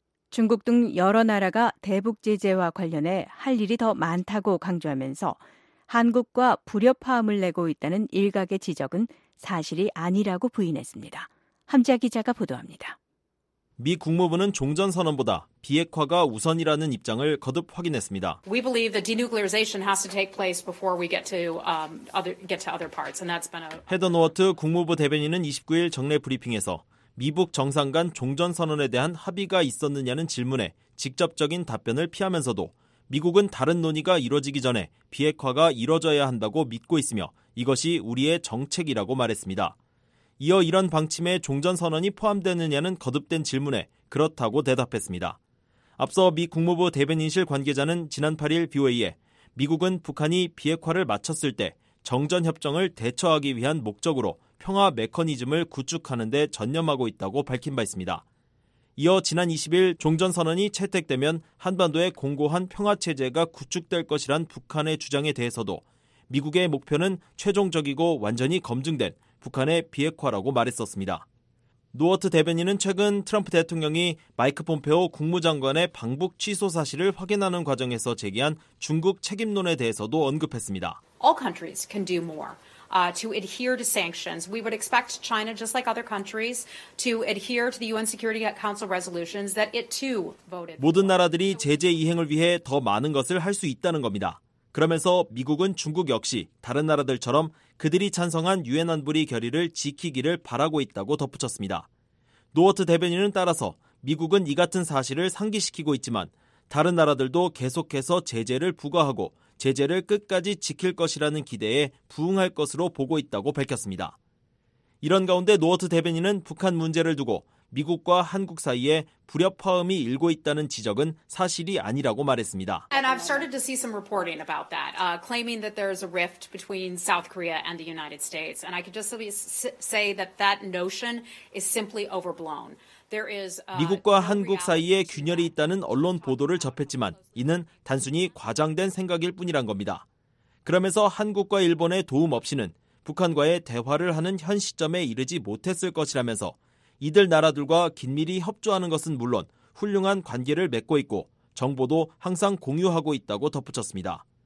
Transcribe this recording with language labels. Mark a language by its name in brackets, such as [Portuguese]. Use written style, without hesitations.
[Korean] 중국 등 여러 나라가 대북 제재와 관련해 할 일이 더 많다고 강조하면서 한국과 불협화음을 내고 있다는 일각의 지적은 사실이 아니라고 부인했습니다. 함지아 기자가 보도합니다. 미 국무부는 종전선언보다 비핵화가 우선이라는 입장을 거듭 확인했습니다. [English] We believe the denuclearization has to take place before we get to other parts, and that's been a. [Korean] 헤더 노어트 국무부 대변인은 29일 정례 브리핑에서 미북 정상 간 종전선언에 대한 합의가 있었느냐는 질문에 직접적인 답변을 피하면서도 미국은 다른 논의가 이뤄지기 전에 비핵화가 이뤄져야 한다고 믿고 있으며 이것이 우리의 정책이라고 말했습니다. 이어 이런 방침에 종전선언이 포함되느냐는 거듭된 질문에 그렇다고 대답했습니다. 앞서 미 국무부 대변인실 관계자는 지난 8일 BOA에 미국은 북한이 비핵화를 마쳤을 때 정전협정을 대처하기 위한 목적으로 평화 메커니즘을 구축하는 데 전념하고 있다고 밝힌 바 있습니다. 이어 지난 20일 종전선언이 채택되면 한반도의 공고한 평화체제가 구축될 것이란 북한의 주장에 대해서도 미국의 목표는 최종적이고 완전히 검증된 북한의 비핵화라고 말했었습니다. 노어트 대변인은 최근 트럼프 대통령이 마이크 폼페오 국무장관의 방북 취소 사실을 확인하는 과정에서 제기한 중국 책임론에 대해서도 언급했습니다. [English] All countries can do more to adhere to sanctions. We would expect China, just like other countries, to adhere to the UN Security Council resolutions that it too voted. [Korean] 모든 나라들이 제재 이행을 위해 더 많은 것을 할 수 있다는 겁니다. 그러면서 미국은 중국 역시 다른 나라들처럼 그들이 찬성한 유엔 안보리 결의를 지키기를 바라고 있다고 덧붙였습니다. 노어트 대변인은 따라서 미국은 이 같은 사실을 상기시키고 있지만 다른 나라들도 계속해서 제재를 부과하고 제재를 끝까지 지킬 것이라는 기대에 부응할 것으로 보고 있다고 밝혔습니다. 이런 가운데 노어트 대변인은 북한 문제를 두고 미국과 한국 사이에 불협화음이 일고 있다는 지적은 사실이 아니라고 말했습니다. [English] And I've started to see some reporting about that, claiming that there is a rift between South Korea and the United States. And I can just say that that notion is simply overblown. There is [Korean] 미국과 한국 사이에 균열이 있다는 언론 보도를 접했지만 이는 단순히 과장된 생각일 뿐이란 겁니다. 그러면서 한국과 일본의 도움 없이는 북한과의 대화를 하는 현 시점에 이르지 못했을 것이라면서 이들 나라들과 긴밀히 협조하는 것은 물론 훌륭한 관계를 맺고 있고 정보도 항상 공유하고 있다고 덧붙였습니다.